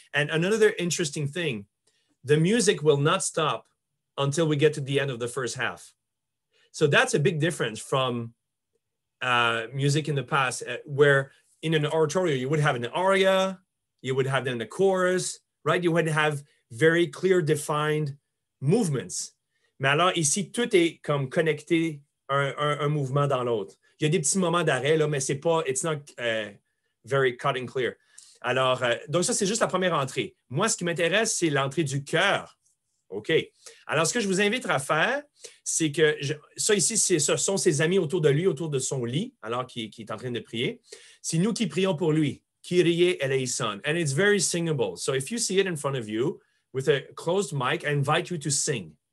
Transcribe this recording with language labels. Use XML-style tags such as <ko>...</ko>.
<en>And another interesting thing, the music will not stop until we get to the end of the first half. So that's a big difference from music in the past, where in an oratorio, you would have an aria, you would have then the chorus, right? You would have very clear defined movements.</en> <fr>Mais alors ici, tout est comme connecté un mouvement dans l'autre. Il y a des petits moments d'arrêt, là, mais c'est pas,</fr> <en>it's not very cut and clear.</en> <fr>Alors, donc ça, c'est juste la première entrée. Moi, ce qui m'intéresse, c'est l'entrée du cœur. OK. Alors, ce que je vous invite à faire, c'est que je, ça ici, c'est, ce sont ses amis autour de lui, autour de son lit, alors qu'il est en train de prier. C'est nous qui prions pour lui.</fr> <la>Kyrie eleison.</la> <en>And it's very singable. So if you see it in front of you, with a closed mic, I invite you to sing.</en>